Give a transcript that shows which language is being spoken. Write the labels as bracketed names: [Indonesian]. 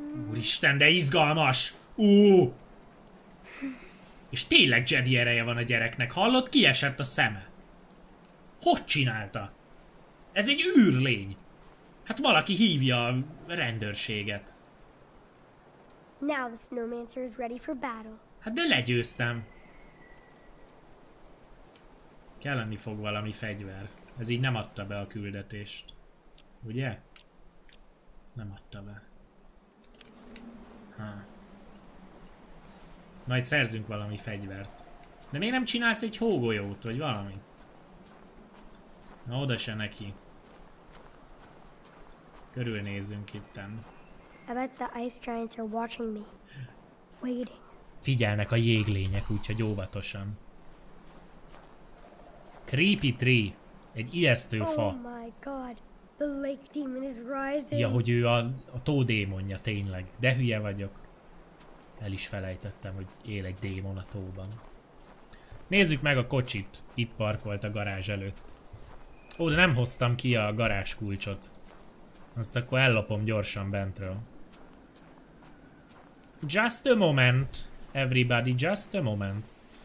[Hungarian] Úristen, de izgalmas! És tényleg Jedi ereje van a gyereknek, hallott? Kiesett a szeme. Hogy csinálta? Ez egy űrlény. Hát valaki hívja a rendőrséget. [English] Now the snowmancer is ready for battle. [Hungarian] Hát de legyőztem. Kell lenni fog valami fegyver. Ez így nem adta be a küldetést. Ugye? Nem adta be. Ha. Majd szerzünk valami fegyvert. De miért nem csinálsz egy hógolyót, vagy valami? Na, oda se neki. Körülnézünk itten. [English] I bet the ice giants are watching me. Waiting. [Hungarian] Figyelnek a jéglények, úgyhogy óvatosan. [English] Creepy tree. [Hungarian] Egy ijesztő fa. [English] Oh my god, the lake demon is rising. [Hungarian] Ja, hogy ő a tó démonja, tényleg. De hülye vagyok. El is felejtettem, hogy él egy démon a tóban. Nézzük meg a kocsit. Itt parkolt a garázs előtt. Ó, de nem hoztam ki a garázs kulcsot. Azt akkor ellopom gyorsan bentről. [English] Just a moment, everybody, just a moment.